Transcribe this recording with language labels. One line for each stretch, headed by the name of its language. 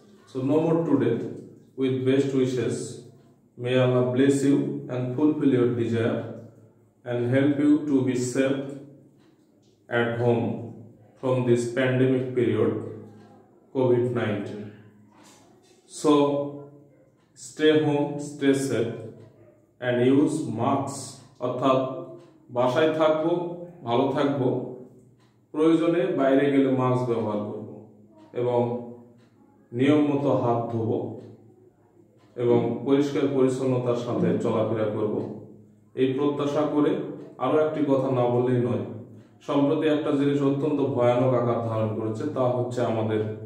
English: So no more today, with best wishes, may Allah bless you and fulfil your desire and help you to be safe at home from this pandemic period COVID-19. So stay home, stay safe and use masks.
Bangla: অর্থাৎ বাসায় থাকবো, ভালো থাকবো, প্রয়োজনে বাইরে গেলে mask ব্যবহার করবো এবং নিয়মিত হাত ধোব এবং পরিষ্কার পরিচ্ছন্নতার সাথে চলাফেরা করব এই প্রত্যাশা করে আরো একটি কথা না বললেই নয় সম্প্রতি একটা জিনিস অত্যন্ত ভয়ানক আকার ধারণ করেছে তা হচ্ছে আমাদের